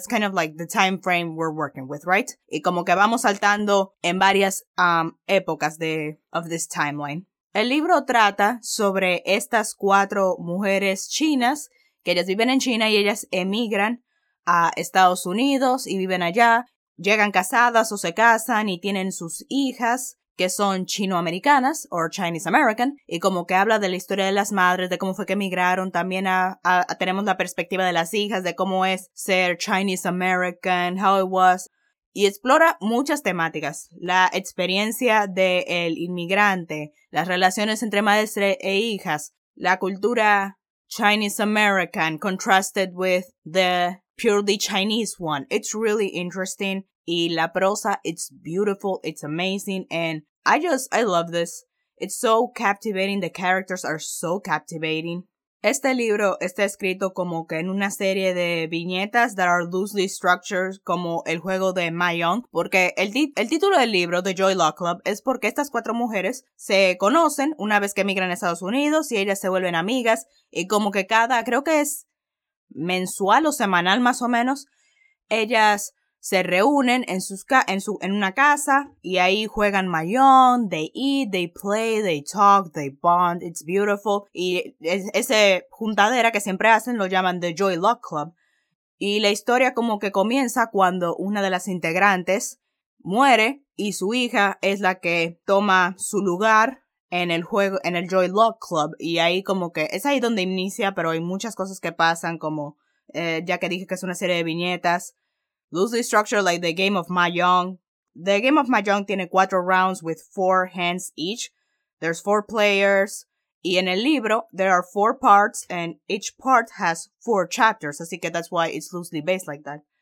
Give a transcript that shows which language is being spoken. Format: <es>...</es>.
<en>That's kind of like the time frame we're working with, right?</en> <es>Y como que vamos saltando en varias épocas</es> <en>of this timeline.</en> <es>El libro trata sobre estas cuatro mujeres chinas que ellas viven en China y ellas emigran a Estados Unidos y viven allá. Llegan casadas o se casan y tienen sus hijas que son chinoamericanas o Chinese American y como que habla de la historia de las madres, de cómo fue que emigraron, también tenemos la perspectiva de las hijas, de cómo es ser Chinese American,</es> <en>how it was,</en> <es>y explora muchas temáticas, la experiencia del inmigrante, las relaciones entre madre e hijas, la cultura Chinese American</es> <en>contrasted with the purely Chinese one. It's really interesting.</en> <es>Y la prosa,</es> <en>it's beautiful, it's amazing, and I love this. It's so captivating, the characters are so captivating.</en> <es>Este libro está escrito como que en una serie de viñetas</es> <en>that are loosely structured</en> <es>como el juego de Mahjong, porque el título del libro, The Joy Luck Club, es porque estas cuatro mujeres se conocen una vez que emigran a Estados Unidos y ellas se vuelven amigas, y como que cada, creo que es mensual o semanal más o menos, ellas se reúnen en una casa y ahí juegan Mahjong,</es> <en>they eat, they play, they talk, they bond, it's beautiful.</en> <es>Y ese juntadera que siempre hacen lo llaman The Joy Luck Club. Y la historia como que comienza cuando una de las integrantes muere y su hija es la que toma su lugar en el juego, en el Joy Luck Club. Y ahí como que es ahí donde inicia, pero hay muchas cosas que pasan como, ya que dije que es una serie de viñetas.</es> <en>Loosely structured like the game of Mahjong. The game of Mahjong</en> <es>tiene</es> <en>4 rounds with 4 hands each. There's 4 players.</en> <es>Y en el libro,</es> <en>there are 4 parts and each part has 4 chapters.</en> <es>Así que</es> <en>that's why it's loosely based like that.</en>